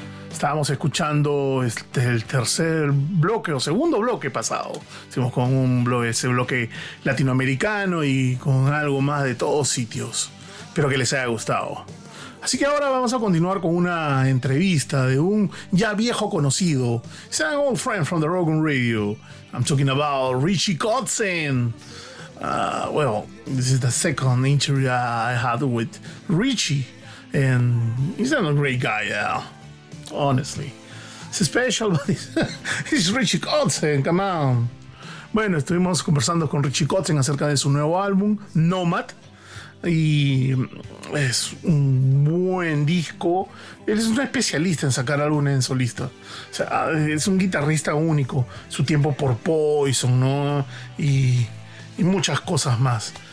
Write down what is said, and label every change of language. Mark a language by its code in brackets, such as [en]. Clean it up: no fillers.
[es] Estábamos escuchando el tercer bloque o segundo bloque pasado. Hicimos con un bloque, ese bloque latinoamericano y con algo más de todos sitios. Espero que les haya gustado. Así que ahora vamos a continuar con una entrevista de un ya viejo conocido. [en] He's an old friend from the Rock'em Radio. I'm talking about Richie Kotzen. Well, this is the second interview I had with Richie. And he's a great guy, yeah. Honestly. It's special, but it's Richie Kotzen, come on. [es] Bueno, estuvimos conversando con Richie Kotzen acerca de su nuevo álbum, Nomad. Y es un buen disco. Él es un especialista en sacar álbumes en solista. O sea, es un guitarrista único. Su tiempo por Poison, ¿no? Y muchas cosas más.